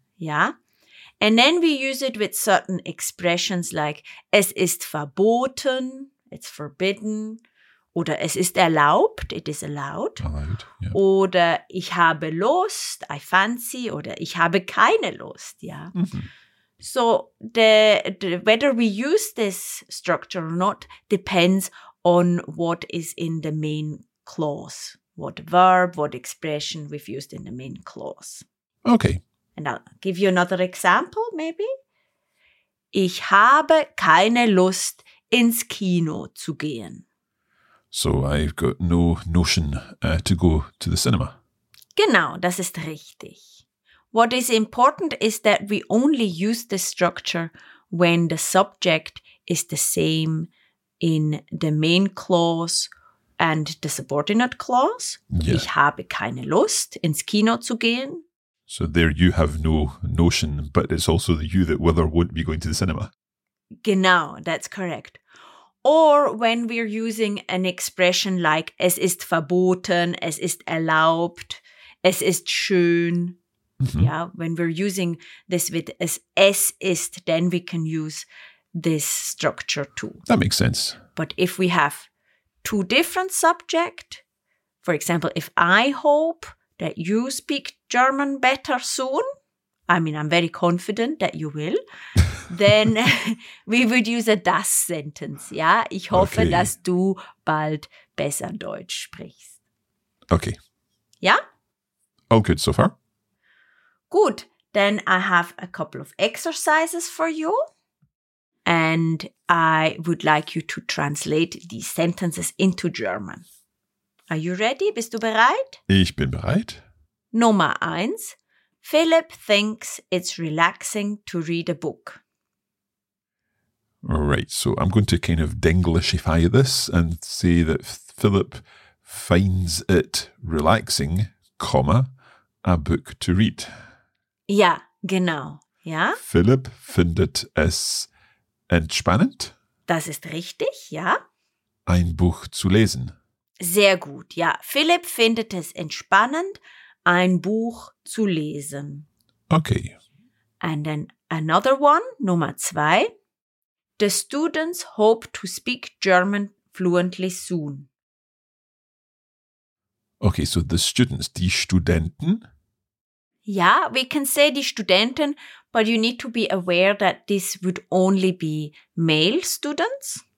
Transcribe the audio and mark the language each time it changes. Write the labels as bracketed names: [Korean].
[German] Ja? [English] And then we use it with certain expressions like [German] es ist verboten, [English] it's forbidden, [German] oder es ist erlaubt, [English] it is allowed, [German] oder ich habe Lust, [English] I fancy, [German] oder ich habe keine Lust, ja. Mm-hmm. [English] So the whether we use this structure or not depends on what is in the main clause, what verb, what expression we've used in the main clause. Okay. And I'll give you another example, maybe. [German] Ich habe keine Lust, ins Kino zu gehen. [English] So I've got no notion to go to the cinema. [German] Genau, das ist richtig. [English] What is important is that we only use this structure when the subject is the same in the main clause and the subordinate clause. Yeah. [German] Ich habe keine Lust, ins Kino zu gehen. [English] So there you have no notion, but it's also the you that will or won't be going to the cinema. Genau, that's correct. Or when we're using an expression like [German] es ist verboten, es ist erlaubt, es ist schön. Mm-hmm. [English] Yeah, when we're using this with es ist, then we can use this structure too. That makes sense. But if we have two different subject, for example, if I hope that you speak German better soon, I mean, I'm very confident that you will, then we would use a das sentence. [German] Yeah, ich hoffe, okay, dass du bald besser Deutsch sprichst. [English] Okay. Yeah? All good so far. Good. Then I have a couple of exercises for you. And I would like you to translate these sentences into German. Are you ready? [German] Bist du bereit? Ich bin bereit. Nummer eins. [English] Philip thinks it's relaxing to read a book. Right. So I'm going to kind of Denglishify this and say that Philip finds it relaxing, comma, a book to read. [German] Ja, genau. Ja. Philip findet es entspannend. Das ist richtig, ja. Ein Buch zu lesen. Sehr gut, ja. Philip findet es entspannend, ein Buch zu lesen. [English] Okay. And then another one, [German] Nummer zwei. [English] The students hope to speak German fluently soon. Okay, so the students, die Studenten. Ja, we can say die Studenten, but you need to be aware that this would only be male students.